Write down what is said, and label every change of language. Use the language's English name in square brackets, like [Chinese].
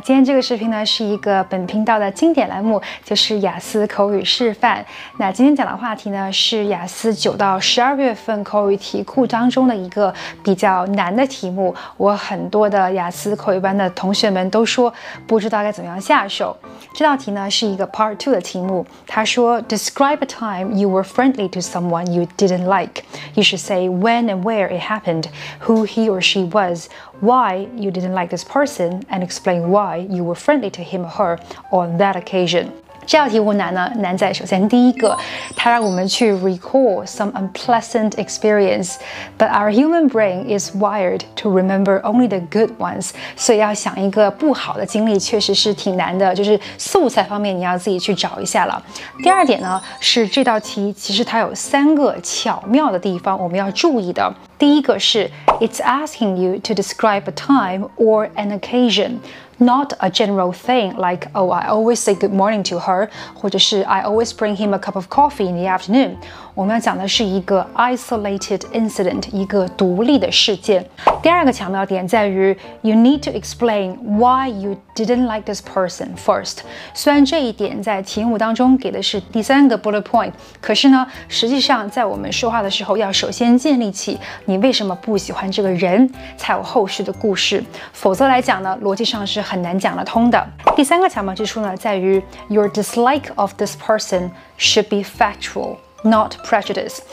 [Chinese] 今天这个视频呢，是一个本频道的经典栏目，就是雅思口语示范。那今天讲的话题呢，是雅思9到12月份口语题库当中的一个比较难的题目。我很多的雅思口语班的同学们都说不知道该怎么样下手。这道题呢，是一个 Part 2的题目。他说 [English] Describe a time you were friendly to someone you didn't like. You should say when and where it happened, who he or she was, why you didn't like this person, and explain why you were friendly to him or her on that occasion. [Chinese] 这道题目难呢，难在首先第一个，它让我们去 [English] recall some unpleasant experience. But our human brain is wired to remember only the good ones. [Chinese] 所以要想一个不好的经历确实是挺难的，就是素材方面你要自己去找一下了。第二点呢，是这道题其实它有三个巧妙的地方我们要注意的。第一个是 [English] It's asking you to describe a time or an occasion, not a general thing like, oh, I always say good morning to her, [Chinese] 或者是 [English] I always bring him a cup of coffee in the afternoon. [Chinese] 我们要讲的是一个 [English] isolated incident, [Chinese] 一个独立的事件。第二个巧妙点在于 [English] You need to explain why you didn't like this person first. [Chinese] 虽然这一点在题目当中给的是第三个 bullet point, 可是呢，实际上在我们说话的时候要首先建立起你为什么不喜欢这个人，才有后续的故事，否则来讲呢，逻辑上是很难讲得通的。第三个巧妙之处呢，在于 [English] your dislike of this person should be factual, not prejudice.